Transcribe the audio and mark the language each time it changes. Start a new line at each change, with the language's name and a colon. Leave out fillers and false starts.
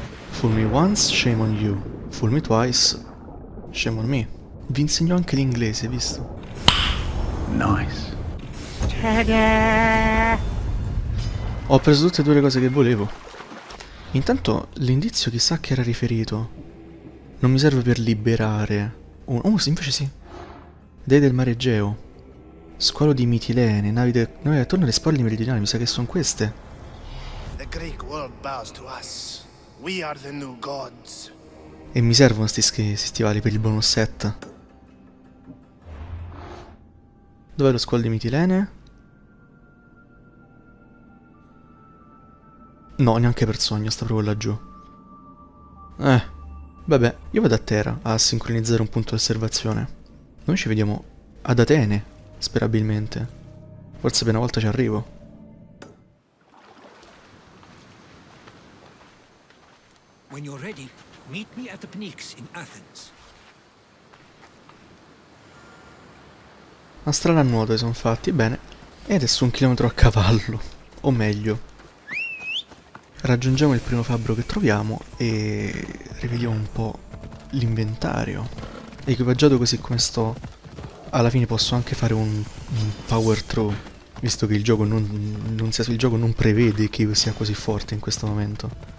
English: Fool me once, shame on you. Fool me twice, shame on me.
Italian: Vi insegno anche l'inglese, visto? Nice. Ta-da! Ho preso tutte e due le cose che volevo. Intanto, l'indizio chissà a che era riferito. Non mi serve per liberare. Oh, sì, invece sì. Dei del mare Egeo. Squalo di Mitilene, navi attorno alle spalle meridionali, mi sa che sono queste.
English: The Greek world bows to us. We are the new gods.
Italian: E mi servono sti scherzi stivali per il bonus set. Dov'è lo squalo di Mitilene? No, neanche per sogno, sta proprio laggiù. Vabbè, io vado a terra a sincronizzare un punto di osservazione. Noi ci vediamo ad Atene, sperabilmente. Forse per una volta ci arrivo.
English: When you're ready, meet me at the Pnyx in Athens.
Italian: Una strada a nuoto sono fatti, bene. E adesso un chilometro a cavallo. O meglio, raggiungiamo il primo fabbro che troviamo e rivediamo un po' l'inventario. Equipaggiato così come sto, alla fine posso anche fare un power throw, visto che il gioco non prevede che io sia così forte in questo momento.